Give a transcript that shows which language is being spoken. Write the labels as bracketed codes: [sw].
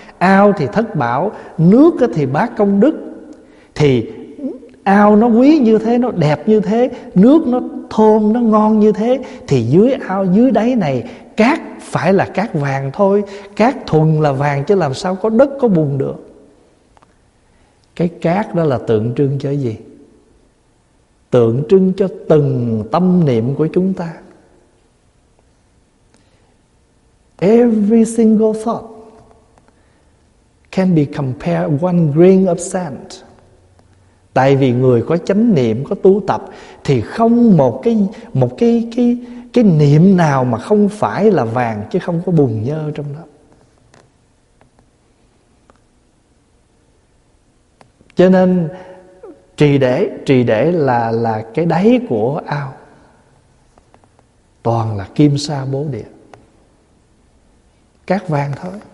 [vi] Ao thì thất bảo, nước thì bát công đức. Thì ao nó quý như thế, nó đẹp như thế, nước nó thơm, nó ngon như thế, thì dưới ao, dưới đáy này cát phải là cát vàng thôi. Cát thuần là vàng chứ làm sao có đất có bùn được. Cái cát đó là tượng trưng cho gì? Tượng trưng cho từng tâm niệm của chúng ta. [en] Every single thought can be compared one grain of sand. [vi] Tại vì người có chánh niệm, có tu tập thì không một cái niệm nào mà không phải là vàng chứ không có bùn nhơ trong đó. Cho nên trì để là cái đáy của ao toàn là kim sa bố địa, cát vàng thôi.